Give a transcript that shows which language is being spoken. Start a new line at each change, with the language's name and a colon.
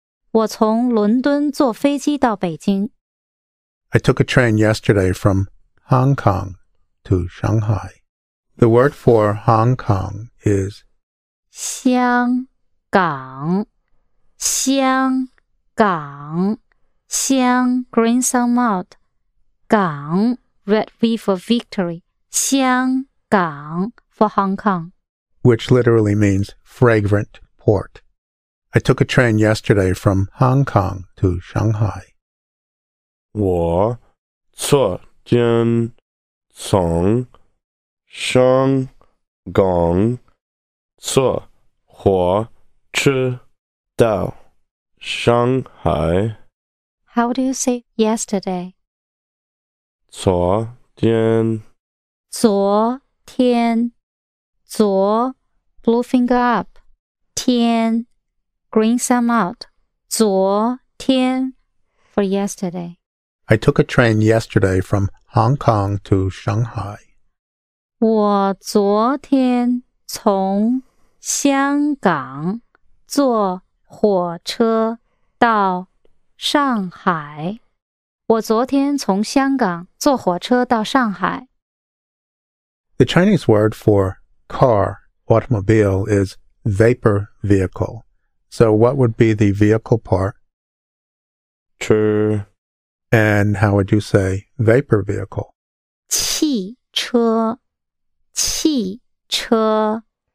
Chinese: 我从伦敦坐飞机到北京。
English: I took a train yesterday from Hong Kong to Shanghai. The word for Hong Kong is
Chinese: 香港香港香
English: green sun mount 港 red V for victory 香港 for Hong Kong which literally means fragrant port. I took a train yesterday from Hong Kong to Shanghai.
Chinese: 我昨天从香港坐火车到上海。
English: How do you say yesterday?
Chinese: 昨天昨天昨
English: blue finger up 天 green thumb out 昨天 for yesterday. I took a train yesterday from Hong Kong to Shanghai.
Chinese: 我昨天从香港坐火车到上海。我昨天从香港坐火车到上海。
English: The Chinese word for car, automobile, is vapor vehicle. So what would be the vehicle part?
Chinese: 车。
English: And how would you say vapor vehicle?
Chinese: 汽车。汽车。